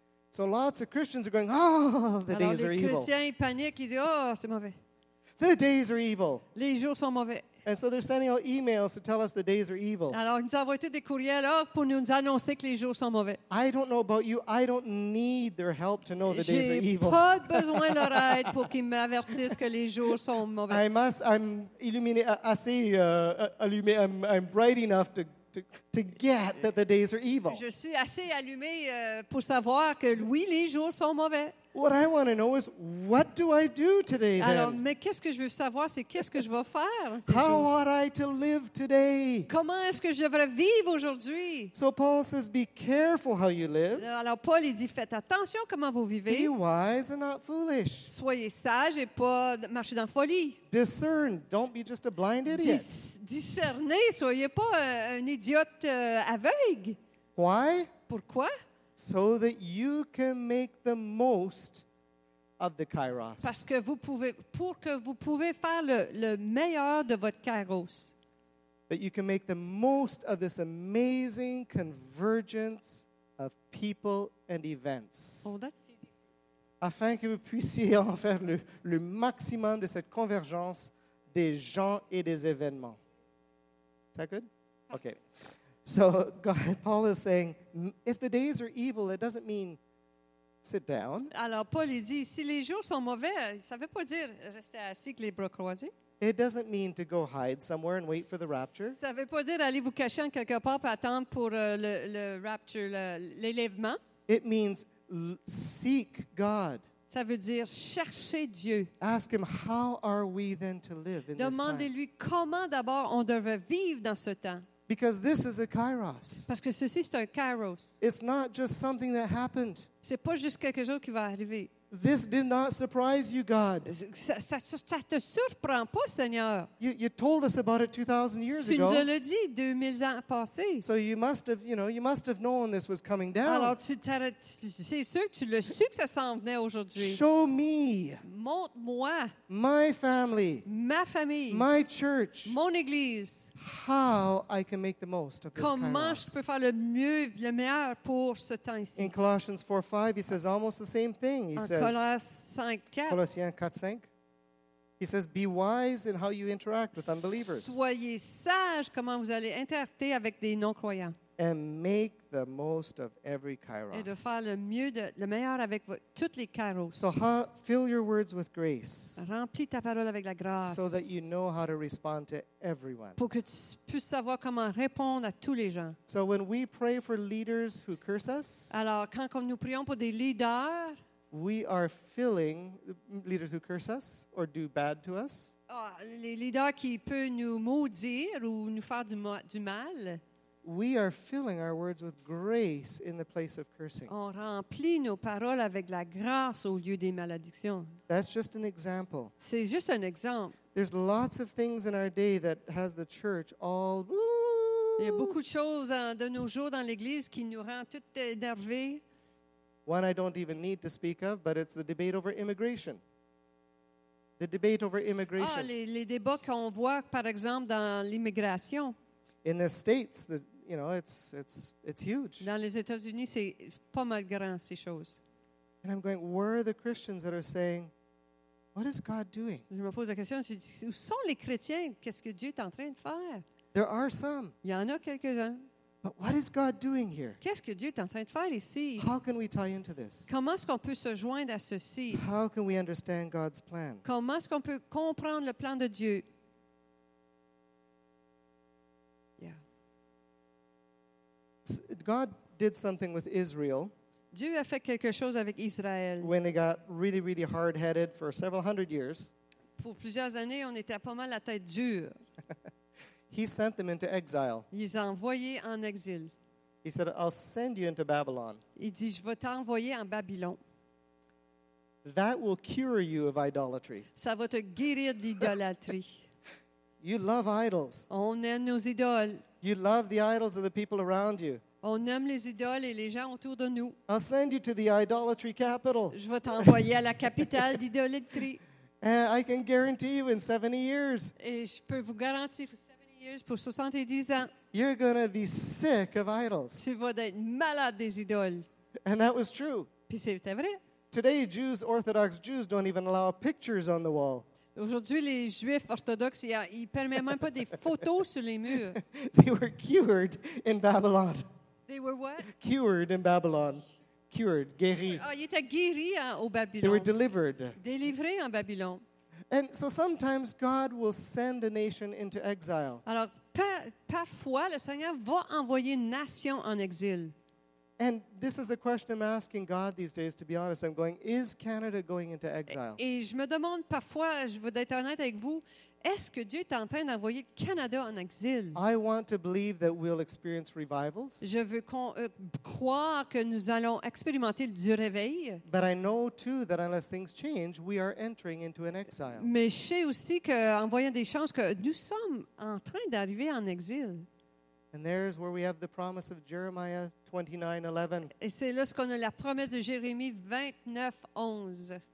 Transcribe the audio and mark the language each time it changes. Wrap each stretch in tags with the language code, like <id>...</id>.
<en>So lots of Christians are going, oh, the</en> <fr>Alors</fr> <en>days are evil.</en> <fr>Alors les chrétiens paniquent, ils disent, oh, c'est mauvais.</fr> <en>The days are evil.</en> <fr>Les jours sont mauvais.</fr> <en>And so they're sending out emails to tell us the days are evil.</en> <fr>Alors, ils nous envoient tous des courriels oh, pour nous annoncer que les jours sont mauvais.</fr> <en>I don't know about you. I don't need their help to know the</en> <fr>J'ai</fr> <en>days are evil.</en> <fr>J'ai pas besoin de leur aide pour qu'ils m'avertissent que les jours sont mauvais. I'm illuminé assez allumé.</fr> <en>I'm bright enough to get that the days are evil.</en> <fr>Je suis assez allumé pour savoir que oui, les jours sont mauvais.</fr> <en>What I want to know is, what do I do today then?</en> <fr>Alors, mais qu'est-ce que je veux savoir, c'est qu'est-ce que je vais faire ces</fr> <en>How</en> <fr>jours?</fr> <en>Ought I to live today?</en> <fr>Comment est-ce que je devrais vivre aujourd'hui?</fr> <en>So Paul says, be careful how you live.</en> <fr>Alors, Paul, il dit, faites attention comment vous vivez.</fr> <en>Be wise and not foolish.</en> <fr>Soyez sage et pas marcher dans folie.</fr> <en>Discern, don't be just a blind idiot.</en> <fr>Discernez, soyez pas un idiot aveugle.</fr> <en>Why?</en> <fr>Pourquoi?</fr> <en>So that you can make the most of the kairos.</en> <fr>Parce que vous pouvez, pour que vous pouvez faire le meilleur de votre kairos.</fr> <en>That you can make the most of this amazing convergence of people and events. Oh, that's easy.</en> <fr>Afin que vous puissiez en faire le maximum de cette convergence des gens et des événements.</fr> <en>Is that good? Okay. So God, Paul is saying, if the days are evil, it doesn't mean sit down.</en> <fr>Alors, Paul il dit, si les jours sont mauvais, ça veut pas dire rester assis avec les bras croisés.</fr> <en>It doesn't mean to go hide somewhere and wait for the rapture.</en> <fr>Ça veut pas dire aller vous cacher en quelque part pour attendre pour le rapture, l'élèvement.</fr> <en>It means seek God.</en> <fr>Ça veut dire chercher Dieu.</fr> <en>Ask him, how are we then to live in</en> <fr>Demandez-lui</fr> <en>this time?</en> <fr>Comment d'abord on devrait vivre dans ce temps.</fr> <en>Because this is a kairos.</en> <fr>Parce que ceci c'est un kairos.</fr> <en>It's not just something that happened.</en> <fr>C'est pas juste quelque chose qui va arriver.</fr> <en>This did not surprise you, God.</en> <fr>Ça te surprend pas, Seigneur.</fr> <en>You told us about it 2,000 years</en> <fr>tu</fr> <en>ago.</en> <fr>Tu nous l'as dit 2,000 ans passés.</fr> <en>So you must have known this was coming down.</en> <fr>Alors c'est sûr tu l'as su que ça s'en venait aujourd'hui.</fr> <en>Show me.</en> <fr>Montre-moi.</fr> <en>My family.</en> <fr>Ma famille.</fr> <en>My church.</en> <fr>Mon église.</fr> <en>How I can make the most of this kairos.</en> <fr>Comment je peux faire le meilleur pour ce temps ici?</fr> <en>In Colossians 4:5, he says almost the same thing. He says,</en> <fr>Colossiens 4:5,</fr> <en>he says, be wise in how you interact with unbelievers.</en> <fr>Soyez sage comment vous allez interacter avec des non-croyants.</fr> <en>And make the most of every kairos.</en> <fr>Et de faire le meilleur avec toutes les kairos.</fr> <en>So how, fill your words with grace.</en> <fr>Remplis ta parole avec la grâce.</fr> <en>So that you know how to respond to everyone.</en> <fr>Pour que tu puisses savoir comment répondre à tous les gens.</fr> <en>So when we pray for leaders who curse us.</en> <fr>Alors quand nous prions pour des leaders.</fr> <en>We are filling leaders who curse us or do bad to us.</en> <fr>Les leaders qui peuvent nous maudire ou nous faire du mal.</fr> <en>We are filling our words with grace in the place of cursing.</en> <fr>On remplit nos paroles avec la grâce au lieu des malédictions.</fr> <en>That's just an example.</en> <fr>C'est juste un exemple.</fr> <en>There's lots of things in our day that has the church all.</en> <fr>Il y a beaucoup de choses de nos jours dans l'église qui nous rend toutes énervées.</fr> <en>One I don't even need to speak of, but it's the debate over immigration. The debate over immigration.</en> <fr>Ah, les débats qu'on voit par exemple dans l'immigration.</fr> <en>In the States, it's huge.</en> <fr>Dans les États-Unis, c'est pas mal grand ces choses.</fr> <en>And I'm going, where are the Christians that are saying, what is God doing?</en> <fr>Je me pose la question, je dis, où sont les chrétiens? Qu'est-ce que Dieu est en train de faire?</fr> <en>There are some.</en> <fr>Il y en a quelques-uns.</fr> <en>But what is God doing here?</en> <fr>Qu'est-ce que Dieu est en train de faire ici?</fr> <en>How can we tie into this?</en> <fr>Comment est-ce qu'on peut se joindre à ceci?</fr> <en>How can we understand God's plan?</en> <fr>Comment est-ce qu'on peut comprendre le plan de Dieu?</fr> <en>God did something with Israel.</en> <fr>Dieu a fait quelque chose avec Israël.</fr> <en>When they got really, really hard-headed for several hundred years.</en> <fr>Pour plusieurs années, on était pas mal la tête dure.</fr> <en>He sent them into exile.</en> <fr>Il les a envoyés en exil.</fr> <en>He said, "I'll send you into Babylon."</en> <fr>Il dit, "Je vais t'envoyer en Babylone."</fr> <en>That will cure you of idolatry.</en> <fr>Ça va te guérir de l'idolâtrie.</fr> <en>You love idols.</en> <fr>On aime nos idoles.</fr> <en>You love the idols of the people around you.</en> <fr>On aime les idoles et les gens autour de nous.</fr> <en>I'll send you to the idolatry capital.</en> <fr>Je vais t'envoyer à la capitale d'idolâtrie.</fr> <en>And I can guarantee you in 70 years.</en> <fr>Et je peux vous garantir pour 70</fr> <en>years,</en> <fr>pour 70 ans.</fr> <en>You're going to be sick of idols.</en> <fr>Tu vas être malade des idoles.</fr> <en>And that was true.</en> <fr>Puis c'était vrai.</fr> <en>Today, Jews, Orthodox Jews, don't even allow pictures on the wall.</en> <fr>Aujourd'hui, les Juifs orthodoxes, ils ne permettent même pas des photos sur les murs.</fr> <en>They were cured in Babylon. They were what? Cured in Babylon. Cured, guéri.</en> <fr>Ils étaient guéris au Babylon.</fr> <en>They were delivered.</en> <fr>Délivrés en Babylon.</fr> <en>And so sometimes God will send a nation into exile.</en> <fr>Alors, parfois, le Seigneur va envoyer une nation en exil.</fr> <en>And this is a question I'm asking God these days, to be honest. I'm going, is Canada going into exile?</en> <fr>Et je me demande parfois, je veux être honnête avec vous, est-ce que Dieu est en train d'envoyer le Canada en exil?</fr> <en>I want to believe that we'll experience revivals.</en> <fr>Je veux croire que nous allons expérimenter du réveil.</fr> <en>But I know too that unless things change, we are entering into an exile.</en> <fr>Mais je sais aussi qu'en voyant des chances, que nous sommes en train d'arriver en exil.</fr> <en>And there's where we have the promise of Jeremiah 29:11.</en> <fr>Et c'est là ce qu'on a la promesse de Jérémie 29:11.</fr>